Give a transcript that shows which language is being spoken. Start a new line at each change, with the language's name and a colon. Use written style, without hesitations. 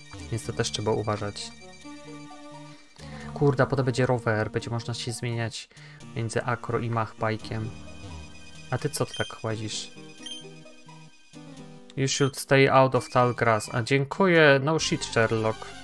Polish: Więc to też trzeba uważać. Kurde, a potem będzie rower, będzie można się zmieniać między akro i machbike'iem. A ty co ty tak chodzisz?
English: You should stay out of tall grass.
Polish: A dziękuję,
English: no shit, Sherlock.